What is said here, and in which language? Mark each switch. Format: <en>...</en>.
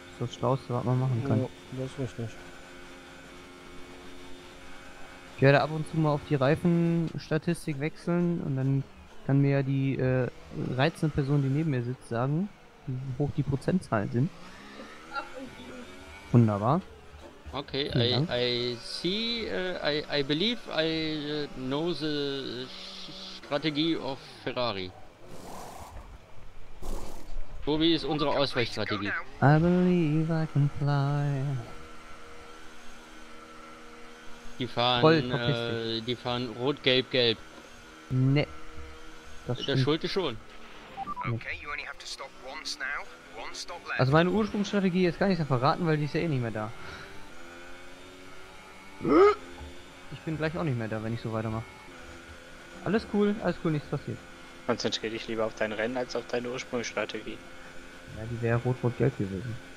<de>Das ist das Schlauste, was man machen kann. Ja, das ist richtig. Ich werde ab und zu mal auf die Reifenstatistik wechseln und dann kann mir ja die reizende Person, die neben mir sitzt, sagen, wie hoch die Prozentzahlen sind. Wunderbar.</de> <en>Okay, I see, I believe, I know the strategy of Ferrari.</en> <de>Tobi ist unsere Ausweichstrategie.</de> <en>I believe I can fly.</en> <de>Die fahren, rot-gelb-gelb. Ne. Der Schulte schon.</de> <en>Okay, you only have to stop once now.</en> <de>Also meine Ursprungsstrategie ist gar nicht so verraten, weil die ist ja eh nicht mehr da. Ich bin gleich auch nicht mehr da, wenn ich so weitermache. Alles cool, nichts passiert. Konzentriere dich lieber auf dein Rennen als auf deine Ursprungsstrategie. Ja, die wäre rot-rot-gelb gewesen.</de>